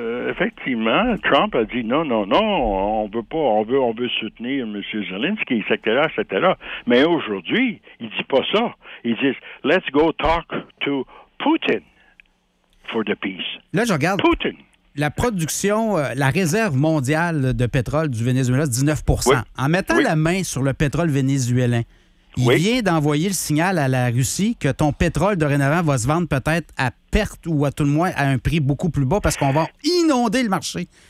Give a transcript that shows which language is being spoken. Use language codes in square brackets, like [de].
[fr] Effectivement, Trump a dit non, on veut pas, on veut soutenir M. Zelensky, etc. Mais aujourd'hui, il dit pas ça. Il dit [en] let's go talk to Putin for the peace. [fr] Là, je regarde Putin. La production, la réserve mondiale de pétrole du Venezuela, 19%. Oui. En mettant la main sur le pétrole vénézuélien, il vient d'envoyer le signal à la Russie que ton pétrole dorénavant va se vendre peut-être à perte ou à tout le moins à un prix beaucoup plus bas parce qu'on va inonder le marché.